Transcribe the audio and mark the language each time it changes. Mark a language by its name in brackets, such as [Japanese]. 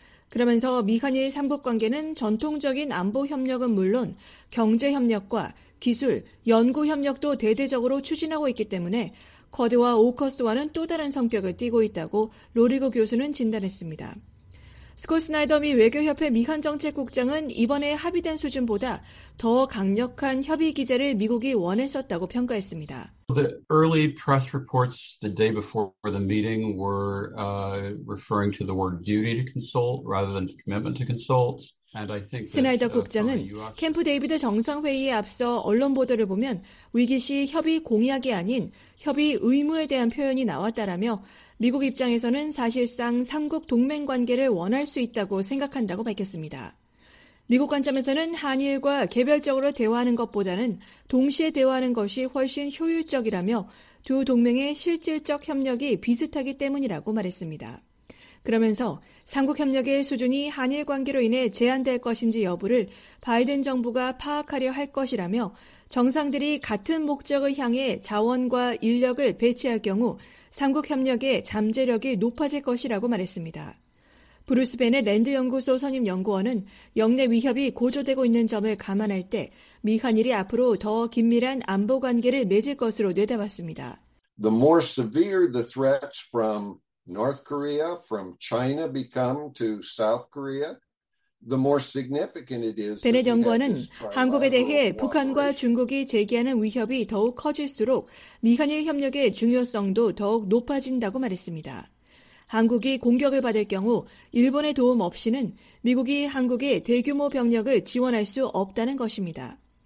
[Korean] 그러면서 미한일 3국 관계는 전통적인 안보 협력은 물론 경제 협력과 기술, 연구 협력도 대대적으로 추진하고 있기 때문에 쿼드와 오커스와는 또 다른 성격을 띠고 있다고 로리고 교수는 진단했습니다. 스콧 스나이더 미 외교협회 미한정책국장은 이번에 합의된 수준보다 더 강력한 협의 기재를 미국이 원했었다고 평가했습니다. [English] The early press reports the day before the meeting were referring to the word duty to consult rather than commitment to consult. [Korean] 스나이더 국장은 캠프 데이비드 정상회의에 앞서 언론 보도를 보면 위기 시 협의 공약이 아닌 협의 의무에 대한 표현이 나왔다라며 미국 입장에서는 사실상 3국 동맹 관계를 원할 수 있다고 생각한다고 밝혔습니다. 미국 관점에서는 한일과 개별적으로 대화하는 것보다는 동시에 대화하는 것이 훨씬 효율적이라며 두 동맹의 실질적 협력이 비슷하기 때문이라고 말했습니다. 그러면서 3국 협력의 수준이 한일 관계로 인해 제한될 것인지 여부를 바이든 정부가 파악하려 할 것이라며 정상들이 같은 목적을 향해 자원과 인력을 배치할 경우 3국 협력의 잠재력이 높아질 것이라고 말했습니다. 브루스 벤의 랜드 연구소 선임 연구원은 영내 위협이 고조되고 있는 점을 감안할 때 미한일이 앞으로 더 긴밀한 안보 관계를 맺을 것으로 내다봤습니다. [English] The more severe the threats from North Korea, from China become to South Korea, the more significant it is. [Korean] 베넷 연구원은 한국에 대해 북한과 중국이 제기하는 위협이 더욱 커질수록 미한일 협력의 중요성도 더욱 높아진다고 말했습니다. 한국이 공격을 받을 경우 일본의 도움 없이는 미국이 한국에 대규모 병력을 지원할 수 없다는 것입니다.